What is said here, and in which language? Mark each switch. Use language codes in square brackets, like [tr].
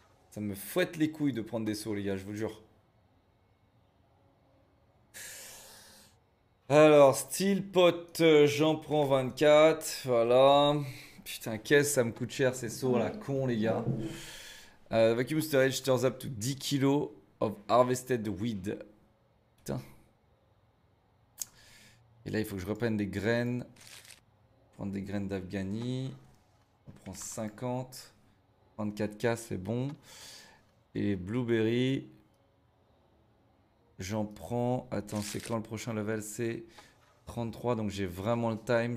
[fr] Ça me fouette les couilles de prendre des sauts, les gars, je vous le jure. Alors, steel pot, j'en prends 24, voilà. Putain, qu'est-ce que ça me coûte cher ces sauts là, con les gars. [en] Vacuum storage turns up to 10 kilos of harvested weed. [fr] Putain. Et là, il faut que je reprenne des graines. Prendre des graines d'Afghani. On prend 50. 34K, c'est bon. Et blueberry. J'en prends. Attends, c'est quand le prochain level? C'est 33, donc j'ai vraiment le time.